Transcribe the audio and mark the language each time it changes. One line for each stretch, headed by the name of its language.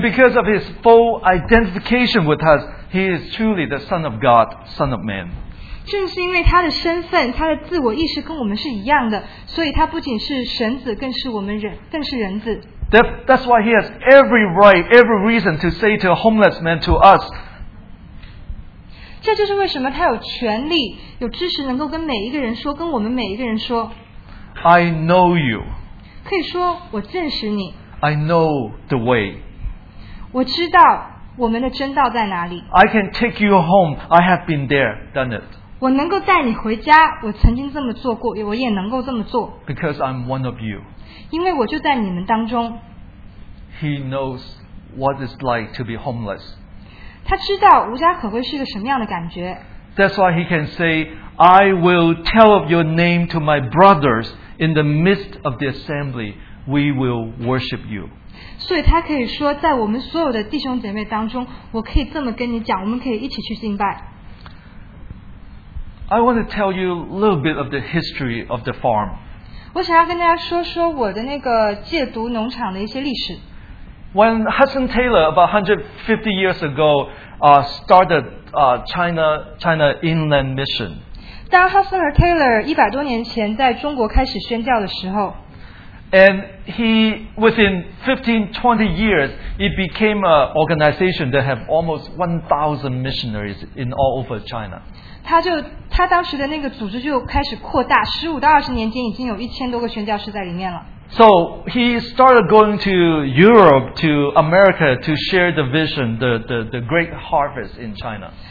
English: because of his full identification with us, he is truly the Son of God, Son of Man.
Chinese: 正是因为他的身份，他的自我意识跟我们是一样的，所以他不仅是神子，更是我们人，更是人子。
English: That's why he has every right, every reason to say to a homeless man, to us,
Chinese: 这就是为什么他有权利，有知识能够跟每一个人说，跟我们每一个人说,
English: I know you.
Chinese: 可以说我认识你,
English: I know the way.
Chinese: 我知道我们的真道在哪里,
English: I can take you home. I have been there, done it.
Chinese: 我能够带你回家, 我曾经这么做过, 我也能够这么做,
English: because I'm one of you.
Chinese: 因为我就在你们当中。
English: He knows what it's like to be homeless.
Chinese: 他知道无家可归是一个什么样的感觉。
English: That's why he can say, I will tell of your name to my brothers in the midst of the assembly. We will worship you.
Chinese: 所以他可以说在我们所有的弟兄姐妹当中，我可以这么跟你讲，我们可以一起去敬拜。
English: I want to tell you a little bit of the history of the farm.
Chinese: 我想要跟大家说说我的那个戒毒农场的一些历史。
English: When Hudson Taylor, about 150 years ago, started China Inland Mission,
Chinese: 当 Hudson Taylor 100多年前 在中国开始宣教的时候,
English: and he, within 15, 20 years, it became an organization that have almost 1,000 missionaries in all over China.
Chinese: 他当时的那个组织就开始扩大, 15到20年间已经有1000多个宣教士在里面了。
English: So he started going to Europe, to America, to share the vision, the great harvest in China.